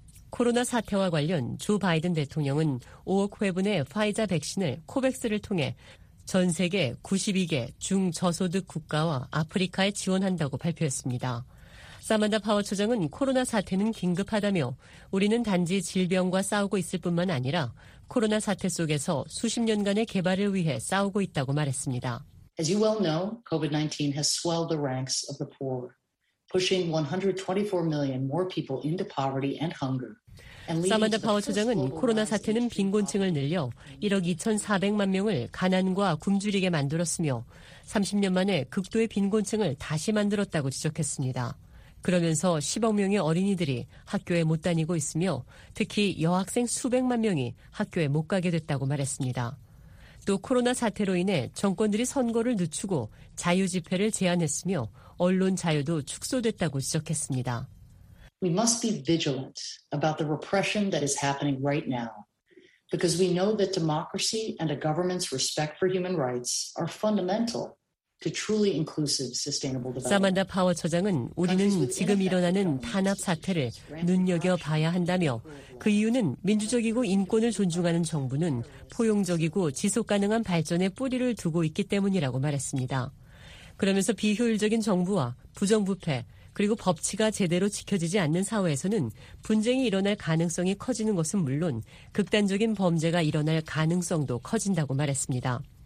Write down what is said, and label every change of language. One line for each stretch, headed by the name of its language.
Korean: 코로나 사태와 관련 조 바이든 대통령은 5억 회분의 화이자 백신을 코백스를 통해 전 세계 92개 중저소득 국가와 아프리카에 지원한다고 발표했습니다. 사만다 파워처장은 코로나 사태는 긴급하다며 우리는 단지 질병과 싸우고 있을 뿐만 아니라 코로나 사태 속에서 수십 년간의 개발을 위해 싸우고 있다고 말했습니다.
English: As you well know, COVID-19 has swelled the ranks of the poor. Pushing 124 million more people into poverty and hunger.
Korean: 사만다 파워 처장은 코로나 사태는 빈곤층을 늘려 1억 2,400만 명을 가난과 굶주리게 만들었으며 30년 만에 극도의 빈곤층을 다시 만들었다고 지적했습니다. 그러면서 10억 명의 어린이들이 학교에 못 다니고 있으며 특히 여학생 수백만 명이 학교에 못 가게 됐다고 말했습니다. 또 코로나 사태로 인해 정권들이 선거를 늦추고 자유 집회를 제한했으며 언론 자유도 축소됐다고 지적했습니다.
English: We must be vigilant about the repression that is happening right now because we know that democracy and a government's respect for human rights are fundamental to truly inclusive sustainable development.
Korean: 사만다 파워 처장은 우리는 지금 일어나는 탄압 사태를 눈여겨봐야 한다며 그 이유는 민주적이고 인권을 존중하는 정부는 포용적이고 지속 가능한 발전의 뿌리를 두고 있기 때문이라고 말했습니다. 그러면서 비효율적인 정부와 부정부패 그리고 법치가 제대로 지켜지지 않는 사회에서는 분쟁이 일어날 가능성이 커지는 것은 물론 극단적인 범죄가 일어날 가능성도 커진다고 말했습니다.